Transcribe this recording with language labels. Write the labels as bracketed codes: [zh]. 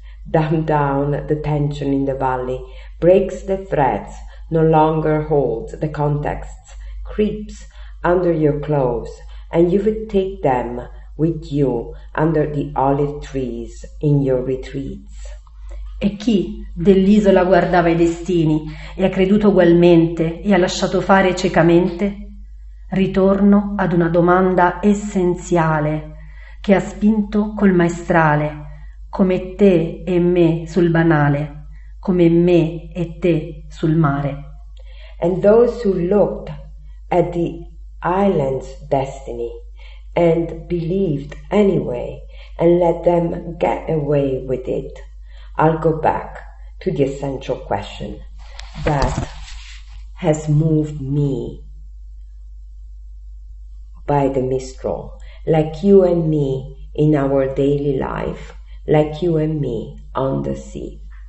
[en] dumb down the tension in the valley, breaks the threads, no longer holds the contexts, creeps under your clothes, and you would take them with you under the olive trees in your retreats. [it] E chi dell'isola guardava i destini e ha creduto ugualmente e ha lasciato fare ciecamente? Ritorno ad una domanda essenziale che ha spinto col maestrale, come te e me sul banale, come me e te sul mare. [en] And those who looked at the island's destiny and believed anyway and let them get away with it, I'll go back to the essential question that has moved me by the mistral, like you and me in our daily life, like you and me on the sea.